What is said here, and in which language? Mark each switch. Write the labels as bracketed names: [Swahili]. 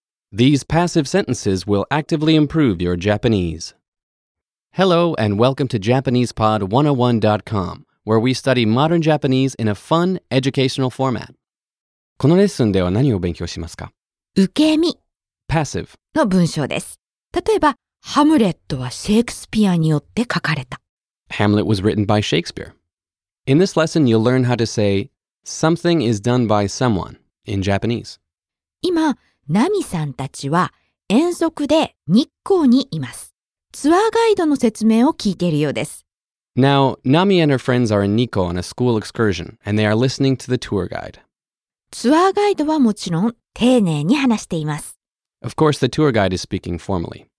[English] These passive sentences will actively improve your Japanese. Hello and welcome to JapanesePod101.com, where we study modern Japanese in a fun, educational format. [Japanese] このレッスンでは何を勉強しますか？受け身。 [English] Passive. [Japanese] の文章です。例えば、ハムレットはシェイクスピアによって書かれた。 [English] Hamlet was written by Shakespeare. In this lesson, you'll learn how to say something is done by someone in Japanese. [Japanese] 今、ナミさんたちは遠足で日光にいます。ツアーガイドの説明を聞いているようです。 [English] Now, Nami and her friends are in Nikko on a school excursion, and they are listening to the tour guide. [Japanese] ツアーガイドはもちろん丁寧に話しています。 [English] Of course, the tour guide is speaking formally.